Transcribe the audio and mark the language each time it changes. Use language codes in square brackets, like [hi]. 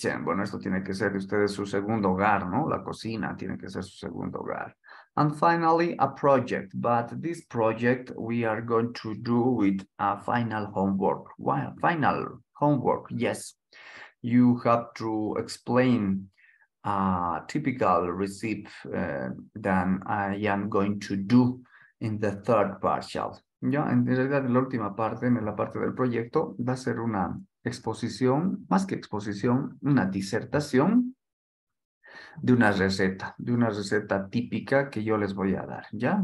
[es] Bueno, esto tiene que ser de ustedes su segundo hogar, ¿no? La cocina tiene que ser su segundo hogar. [en] And finally, a project. But this project we are going to do with a final homework. Well, final homework, yes. You have to explain a typical receipt than I am going to do in the third partial. [es] Ya, en realidad, en la última parte, en la parte del proyecto, va a ser una exposición, más que exposición, una disertación de una receta típica que yo les voy a dar, ¿ya?